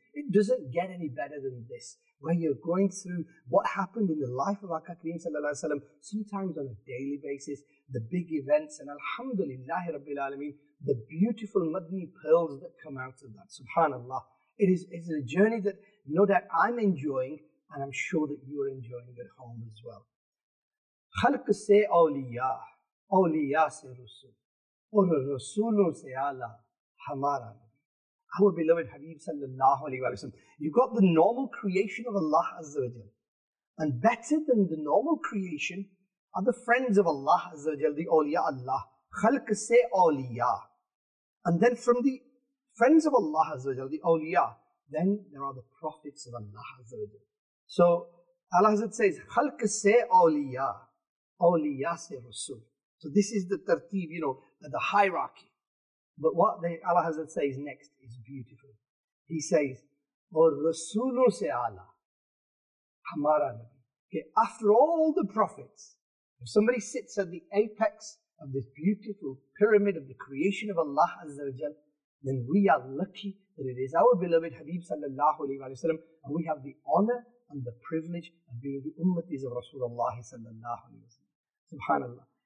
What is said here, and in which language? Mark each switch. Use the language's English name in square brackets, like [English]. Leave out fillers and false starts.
[English] It doesn't get any better than this, where you're going through what happened in the life of Aka Kareem sallallahu alayhi wa sallam, sometimes on a daily basis, the big events, and Alhamdulillah Rabbil Alameen, the beautiful madni pearls that come out of that. Subhanallah. It is a journey that, no doubt, I'm enjoying, and I'm sure that you are enjoying at home as well. [Urdu] خلق سے اولیاء, اولیاء سے رسول, اور رسولوں سے اعلیٰ ہمارا نبی. [English] Our beloved Habib sallallahu alayhi wa sallam. You've got the normal creation of Allah Azza wa Jal. And better than the normal creation are the friends of Allah Azza wa Jal, the awliya Allah. [Urdu] خلق سے اولیاء. [English] And then from the friends of Allah Azza wa Jal, the awliya, then there are the prophets of Allah Azza wa Jal. So Allah Hazrat says, [Urdu] خلق سے اولیاء, اولیاء سے رسول. [English] So this is the tartib, you know, the hierarchy. But what the Allah Hazrat says next is beautiful. He says, [Urdu] اور رسولوں سے اعلیٰ ہمارا نبی. [English] Okay, after all the prophets, if somebody sits at the apex of this beautiful pyramid of the creation of Allah Azza wa Jal, then we are lucky that it is our beloved Habib sallallahu alayhi wa sallam, and we have the honor and the privilege of being the ummatis of Rasulullah sallallahu alayhi wa sallam. Subhanallah.